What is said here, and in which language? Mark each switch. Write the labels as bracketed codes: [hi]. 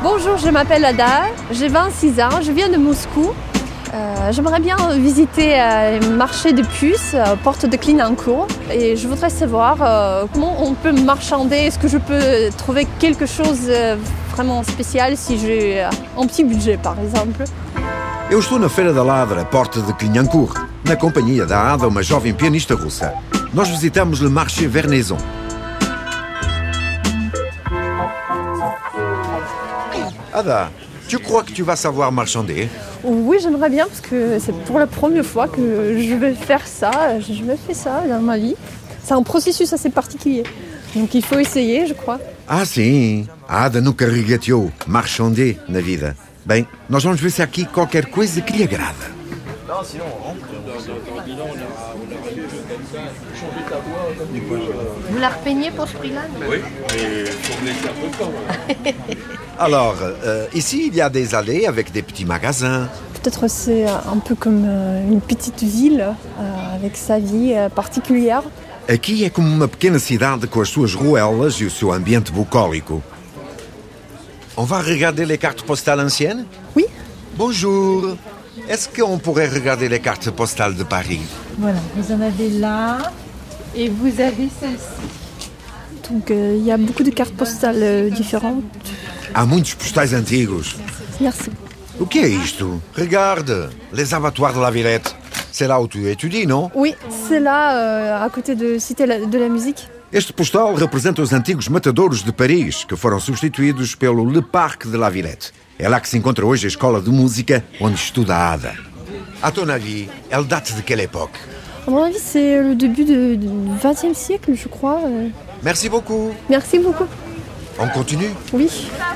[fr] Bonjour, je m'appelle Ada, j'ai 26 ans, je viens de Moscou. J'aimerais bien visiter les marchés de puces, porte de Clignancourt. Et je voudrais savoir comment on peut marchander, est-ce que je peux trouver quelque chose vraiment spécial si j'ai un petit budget par exemple. [pt] Eu estou na Feira da Ladra, porta de Clignancourt, na companhia da Ada, uma jovem pianista russa. Nós visitamos [fr] le marché [pt] Vernaison. [fr] Ada, tu crois que tu vas savoir marchander? Oui, j'aimerais bien, parce que c'est pour la première fois que je vais faire ça. Je vais faire ça dans ma vie. C'est un processus assez particulier. Donc il faut essayer, je crois. [pt] Ah, si. Ada nunca regateou marchander na vida. Bem, nós vamos ver se aqui qualquer coisa que lhe agrada. [fr] Vous la repeignez pour ce prix-là? Oui, mais pour les temps. Alors, ici, il y a des allées avec des petits magasins. Peut-être c'est un peu comme une petite ville avec sa vie particulière. [pt] Aqui é como uma pequena cidade com as suas ruelas e o seu ambiente bucólico. [fr] On va regarder les cartes postales anciennes? Oui. Bonjour. Est-ce qu'on pourrait regarder les cartes postales de Paris? Voilà, vous en avez là et vous avez celle-ci. Donc, il y a beaucoup de cartes postales différentes. [pt] Há muitos postais antigos. [fr] Merci. [pt] O que é isto? [fr] Regarde, les abattoirs de la Villette. C'est là où tu étudies, non? Oui, c'est là, à côté de Cité de la Musique. [pt] Este postal representa os antigos matadouros de Paris, que foram substituídos pelo Le Parc de la Villette. É lá que se encontra hoje a escola de música onde estuda a Ada. [fr] A ton avis, elle date de quelle époque? À mon avis, c'est le début du XXe siècle, je crois. Merci beaucoup. Merci beaucoup. On continue? Oui.